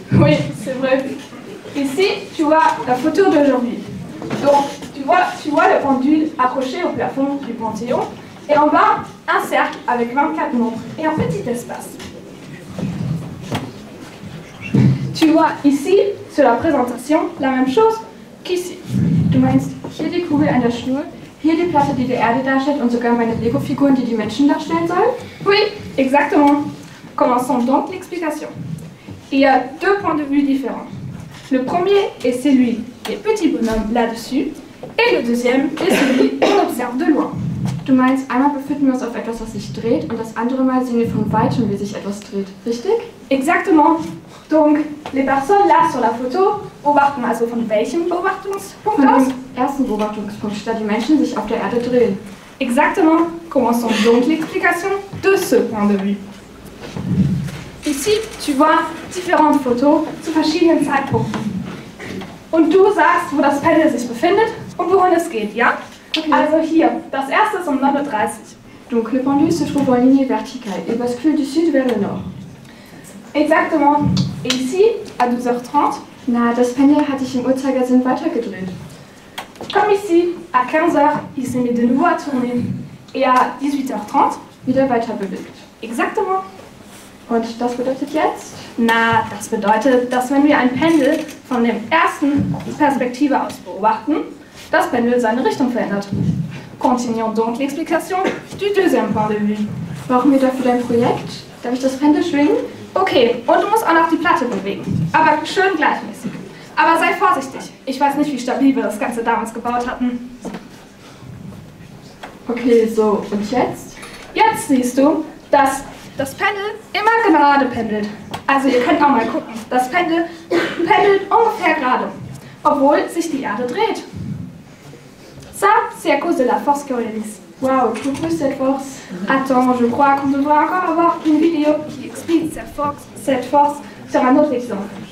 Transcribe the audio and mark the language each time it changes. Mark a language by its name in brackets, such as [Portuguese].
[French] Oui, c'est vrai. Ici, tu vois la photo d'aujourd'hui. Donc, tu vois le pendule accroché au plafond du Panthéon. Et en bas, un cercle avec 24 nombres et un petit espace. Tu vois ici, sur la présentation, la même chose qu'ici. [German] Du meinst, hier die Kugel an der Schnur, hier die Platte, die Erde darstellt und sogar meine Lego-Figuren, die Menschen darstellen sollen? [French] Oui, exactement. Commençons donc l'explication. Il y a deux points de vue différents. Le premier est celui des petits bonhommes là-dessus, et le deuxième est celui qu'on observe de loin. [German] Du meinst, einmal befinden wir uns auf etwas, was sich dreht, und das andere Mal sehen wir von weitem, wie sich etwas dreht. Richtig? [French] Exactement. Donc, les personnes là sur la photo [German] beobachten also von welchem Beobachtungspunkt von aus? Dem ersten Beobachtungspunkt, da die Menschen sich auf der Erde drehen. [French] Exactement. Commençons donc l'explication de ce point de vue. Ici, tu vois différentes photos [German] zu verschiedenen Zeitpunkten. Und du sagst, wo das Pendel sich befindet und worin es geht, ja? Okay. Also hier, das erste ist um 9:30 Uhr. [French] Donc, le pendule se trouve en ligne verticale et bascule du sud vers le nord. Exactement. Et ici, à 12h30, [German] na, das Pendel hat sich im Uhrzeigersinn weitergedreht. [French] Comme ici, à 15h, il s'est mis de nouveau à tourner. Et à 18h30, [German] wieder weiter bewegt. [French] Exactement. [German] Und das bedeutet jetzt? Na, das bedeutet, dass wenn wir ein Pendel von der ersten Perspektive aus beobachten, das Pendel seine Richtung verändert. [French] Continuons donc l'explication du deuxième point de vue. [German] Brauchen wir dafür dein Projekt? Darf ich das Pendel schwingen? Okay, und du musst auch noch die Platte bewegen. Aber schön gleichmäßig. Aber sei vorsichtig. Ich weiß nicht, wie stabil wir das Ganze damals gebaut hatten. Okay, so, und jetzt? Jetzt siehst du, dass das Pendel immer gerade pendelt. Also ihr könnt auch mal gucken. Das Pendel pendelt ungefähr gerade, obwohl sich die Erde dreht. [French] Ça, c'est à cause de la force Coriolis. Wow, tout plus cette force. Attends, je crois qu'on devrait encore avoir une vidéo qui explique cette force sur un autre exemple.